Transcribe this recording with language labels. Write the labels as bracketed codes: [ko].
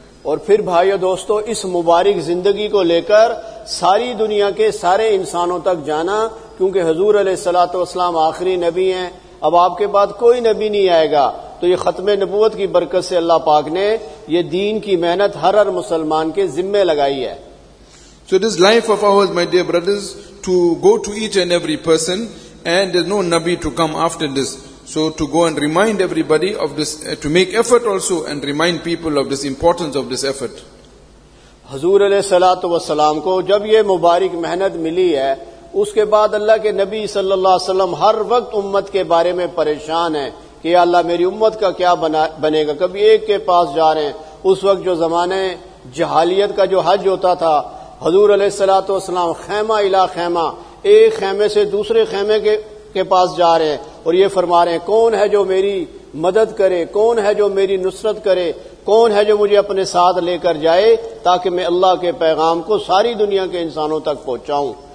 [ur] اور پھر بھائیو دوستو اس مبارک زندگی کو لے کر ساری دنیا کے سارے انسانوں تک جانا, کیونکہ حضور علیہ الصلوۃ والسلام آخری نبی ہیں, اب آپ کے بعد کوئی نبی نہیں آئے گا. تو یہ ختم نبوت کی برکت سے اللہ پاک نے یہ دین کی محنت ہر مسلمان کے ذمے لگائی ہے. [en] So this life of ours, my dear brothers, to go to each and every person, and there's no Nabi to come after this. So to go and remind everybody of this, to make effort also and remind people of this importance of this effort. [ur] حضور علیہ الصلوۃ والسلام کو جب یہ مبارک محنت ملی ہے اس کے بعد اللہ کے نبی صلی اللہ علیہ وسلم ہر وقت امت کے بارے میں پریشان ہیں کہ یا اللہ میری امت کا کیا بنے گا. کبھی ایک کے پاس جا رہے ہیں, اس وقت جو زمانے جہالیت کا جو حج ہوتا تھا, حضور علیہ الصلوۃ والسلام خیمہ الى خیمہ, ایک خیمے سے دوسرے خیمے کے پاس جا رہے ہیں اور یہ فرما رہے ہیں کون ہے جو میری مدد کرے, کون ہے جو میری نصرت کرے, کون ہے جو مجھے اپنے ساتھ لے کر جائے تاکہ میں اللہ کے پیغام کو ساری دنیا کے انسانوں تک پہنچاؤں.